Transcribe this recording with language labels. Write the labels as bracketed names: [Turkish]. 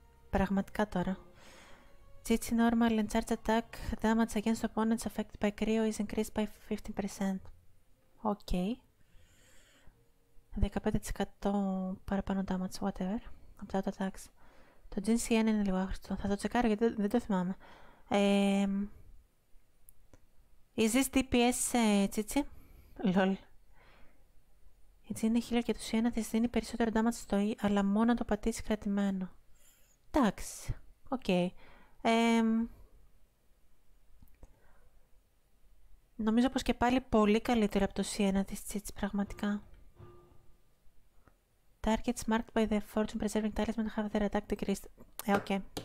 [Greek] Πραγματικά τώρα. [English] Chichi normal and charge attack damage against opponents affected by cryo is increased by 15%. Okay. [Greek] 15% παραπάνω damage, whatever. Από τα attacks. Το GCN είναι λίγο άχρηστο. Θα το τσεκάρω γιατί δεν το θυμάμαι. [English] Is this DPS, Chichi? Lol. [Greek] Έτσι είναι healer και τους ένα της δίνει περισσότερο damage στο E, αλλά μόνο το πατήσει κρατημένο. Εντάξει. Okay. Νομίζω πως και πάλι πολύ καλύτερο από το C1 της Chichi, πραγματικά. [English] Targets marked by the fortune preserving talisman have their attack decreased. Okay.